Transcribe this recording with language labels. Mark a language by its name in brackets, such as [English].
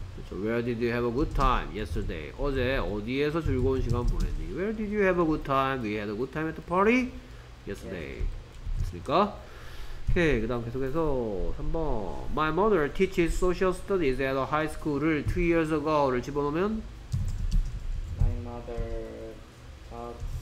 [English] Where did you have a good time yesterday? [Korean] 어제 어디에서 즐거운 시간 보냈니? [English] Where did you have a good time? We had a good time at the party yesterday. [Korean] Yeah. 됐습니까? 오케이, 그 다음 계속해서 3번. [English] My mother teaches social studies at a high school을 2 years ago를 집어넣으면? My mother taught